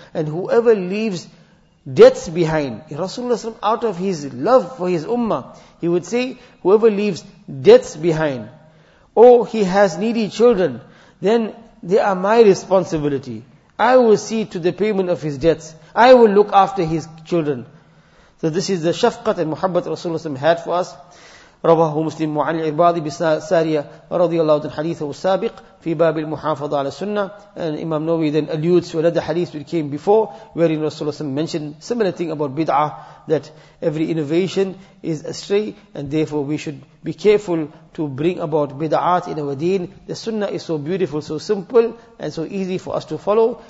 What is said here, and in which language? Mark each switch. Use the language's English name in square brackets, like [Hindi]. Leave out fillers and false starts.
[English] And whoever leaves debts behind, Rasulullah ﷺ, out of his love for his ummah, he would say, whoever leaves debts behind, or he has needy children, then they are my responsibility. I will see to the payment of his debts. I will look after his children. So this is the shafqat and muhabbat Rasulullah ﷺ had for us. [Arabic] رواه مسلم وعن العباد بن ساريه رضي الله عنه حديثه السابق في باب المحافظه على السنه. [English] And Imam Nawawi then alludes to another hadith which came before, wherein Rasulullah SAW mentioned similar thing about bid'ah, that every innovation is astray, and therefore we should be careful to bring about bid'ahs in our deen. The sunnah is so beautiful, so simple, and so easy for us to follow.